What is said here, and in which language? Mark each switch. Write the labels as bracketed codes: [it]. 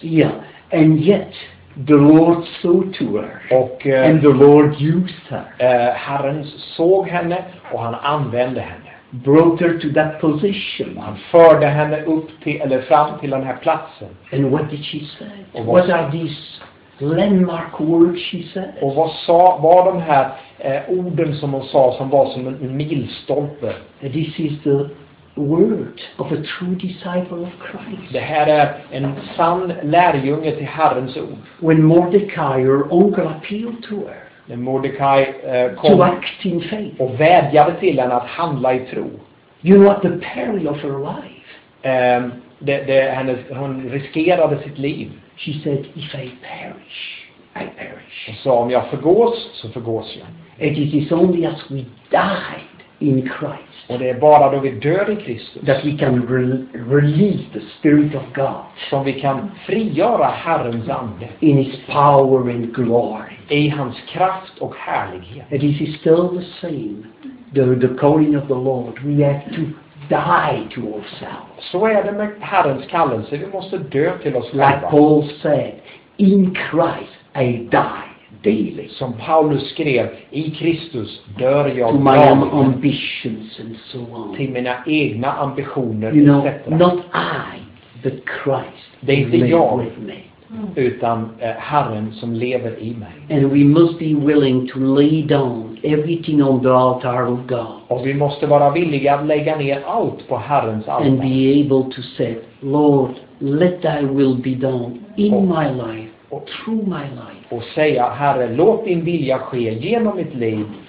[en] Yeah, and yet the Lord saw to her. [sv] Och [en] and the Lord used her. [sv] Herren såg henne och han använde henne. [en] Brought her to that position. [sv] Han förde henne upp till eller fram till den här platsen. [en] And what did she say? What are these landmark words she said? [sv] Och vad sa var de här orden som hon sa som var som en milstolpe? [en] This is the word of a true disciple of Christ. [sv] Det här är en sann lärjunge till Herrens ord. [en] When Mordecai, her uncle, appealed to her. [sv] När Mordecai kom [en] to act in faith. [sv] Och vädjade till henne att handla i tro. [en] You know what the peril of her life? [sv] Hon riskerade sitt liv. [en] She said, if I perish, I perish. [sv] Hon sa, om jag förgås, så förgås jag. [en] And it is only as we died in Christ. [sv] Och det är bara då vi dör i Kristus. [en] That we can release the Spirit of God. [sv] Som vi kan frigöra Herrens ande. [en] In his power and glory. [sv] I hans kraft och härlighet. [en] And it is still the same. The calling of the Lord. We have to die to ourselves. [sv] Så är det med Herrens kallelse. Vi måste dö till oss själva. [en] Like Paul said, in Christ I die daily. [sv] Som Paulus skrev, i Kristus dör jag [en] to my own ambitions and so on. [sv] Till mina egna ambitioner, [en] you know, etc. Not I, but Christ. [sv] Det är inte jag [en] with me. [sv] Utan Herren som lever i mig. [en] And we must be willing to lay down everything on the altar of God. [sv] Och vi måste vara villiga att lägga ner allt på Herrens altare. [en] And be able to say, Lord, let thy will be done in my life, through my life. [sv] Och säga, Herre, låt din vilja ske genom mitt liv.